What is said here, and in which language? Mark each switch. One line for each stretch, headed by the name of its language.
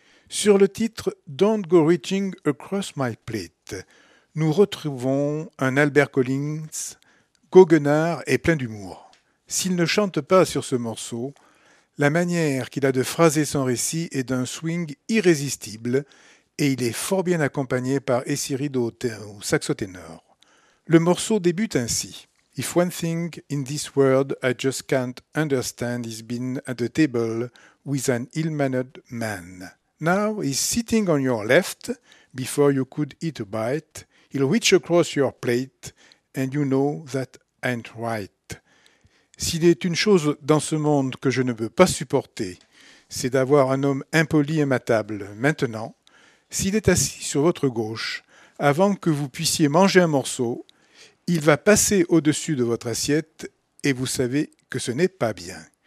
French: Sur le titre « Don't go reaching across my plate », nous retrouvons un Albert Collins, goguenard et plein d'humour. S'il ne chante pas sur ce morceau, la manière qu'il a de phraser son récit est d'un swing irrésistible et il est fort bien accompagné par Acy Reed au saxo-ténor. Le morceau débute ainsi.
English: If one thing in this world I just can't understand is being at the table with an ill-mannered man. Now he's sitting on your left, before you could eat a bite. He'll reach across your plate, and you know that ain't right.
French: S'il est une chose dans ce monde que je ne veux pas supporter, c'est d'avoir un homme impoli à ma table. Maintenant, s'il est assis sur votre gauche, avant que vous puissiez manger un morceau, il va passer au-dessus de votre assiette et vous savez que ce n'est pas bien.